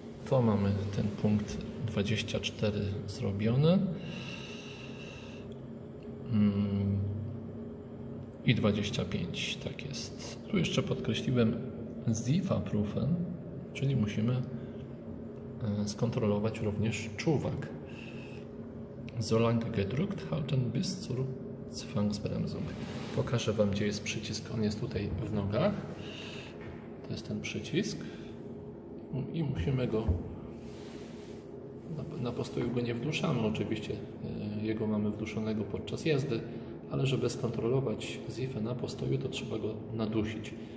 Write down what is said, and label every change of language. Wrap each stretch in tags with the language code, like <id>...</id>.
<pl>To mamy ten punkt 24 zrobiony. I 25, tak jest. Tu jeszcze podkreśliłem Zifaproofen, czyli musimy skontrolować również czuwak.</pl> <de>Solang gedrückt halten bis zur Zwangsbremsung.</de> <pl>Pokażę Wam, gdzie jest przycisk. On jest tutaj w nogach. To jest ten przycisk. I musimy go... Na postoju go nie wduszamy, oczywiście. Jego mamy wduszonego podczas jazdy. Ale żeby skontrolować Zifę na postoju, to trzeba go nadusić.</pl>